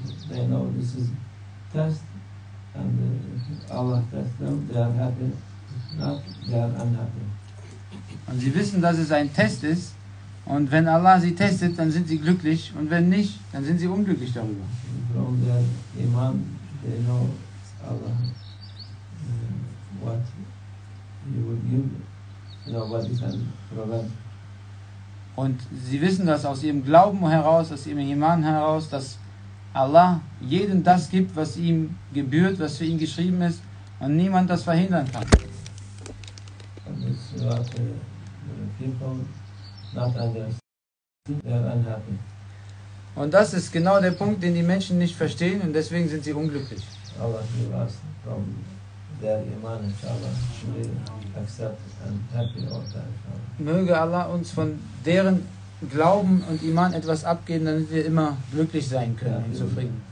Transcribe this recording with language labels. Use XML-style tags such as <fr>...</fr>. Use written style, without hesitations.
<en>They know this is test and Allah tests them, they are happy, not they are unhappy.</en> <de>Und sie wissen, dass es ein Test ist und wenn Allah sie testet, dann sind sie glücklich und wenn nicht, dann sind sie unglücklich darüber.</de> <en>From their Iman, they know Allah what you will give, nobody can prevent.</en> <de>Und sie wissen das aus ihrem Glauben heraus, aus ihrem Iman heraus, dass Allah jedem das gibt, was ihm gebührt, was für ihn geschrieben ist und niemand das verhindern kann.</de> <en>And it's what the people not understand. They are unhappy.</en> <de>Und das ist genau der Punkt, den die Menschen nicht verstehen und deswegen sind sie unglücklich.</de> <en>Allah gives us from their Iman, inshallah, we accept and happy all that, inshallah.</en> <de>Möge Allah uns von deren Glauben und Iman etwas abgeben, damit wir immer glücklich sein können und zufrieden.</de>